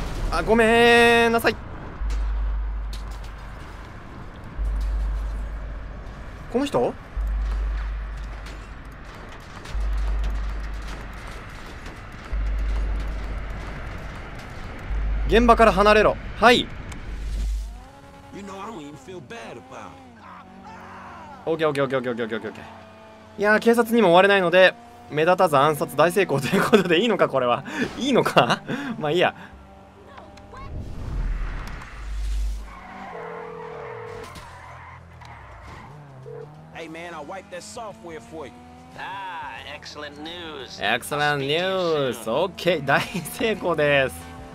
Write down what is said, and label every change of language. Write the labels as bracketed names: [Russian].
[Japanese] あ、ごめんなさい、この人、現場から離れろ。 [English] はい、 you know, I don't even feel bad about it. OK OK OK OK OK OK。 [Japanese] いやー、警察にも追われないので目立たず暗殺大成功ということでいいのかこれはいいのかまあいいや、エクセレントニュース、オッケー、大成功です。